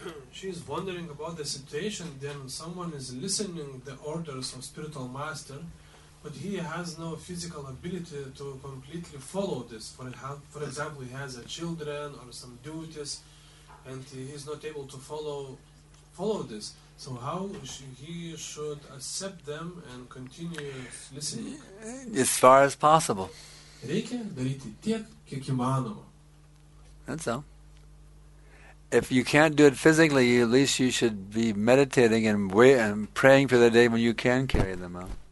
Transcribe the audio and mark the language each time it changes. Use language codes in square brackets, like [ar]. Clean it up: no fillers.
[en] She is wondering about the situation when someone is listening the orders of spiritual master, but he has no physical ability to completely follow this. For example, he has a children or some duties, and he is not able to follow this. So how he should accept them and continue listening? As far as possible. [lt] Reikia daryti tiek, kiek įmanoma. [en] That's all. If you can't do it physically, at least you should be meditating and wait and praying for the day when you can carry them out.